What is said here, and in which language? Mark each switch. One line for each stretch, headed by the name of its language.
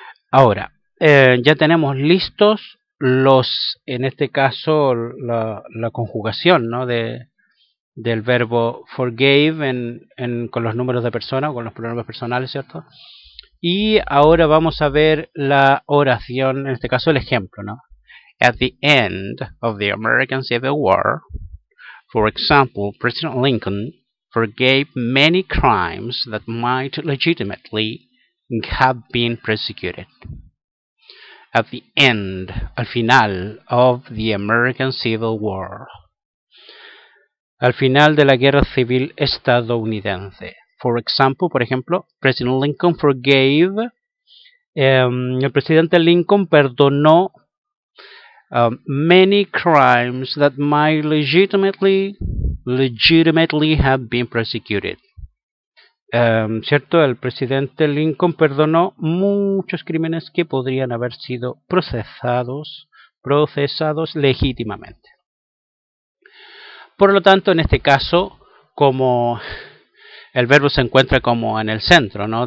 Spanish: Ahora, ya tenemos listos en este caso, la conjugación, ¿no? Del verbo forgave con los números de persona o con los pronombres personales, ¿cierto? Y ahora vamos a ver la oración, en este caso el ejemplo, ¿no?
English: At the end of the American Civil War, for example, President Lincoln forgave many crimes that might legitimately have been prosecuted. At the end,
Spanish: al final
English: of the American Civil War.
Spanish: Al final de la Guerra Civil Estadounidense.
English: For example,
Spanish: por ejemplo,
English: President Lincoln forgave.
Spanish: El presidente Lincoln perdonó
English: many crimes that might legitimately have been prosecuted.
Spanish: ¿Cierto? El presidente Lincoln perdonó muchos crímenes que podrían haber sido procesados legítimamente. Por lo tanto, en este caso, como el verbo se encuentra como en el centro, ¿no?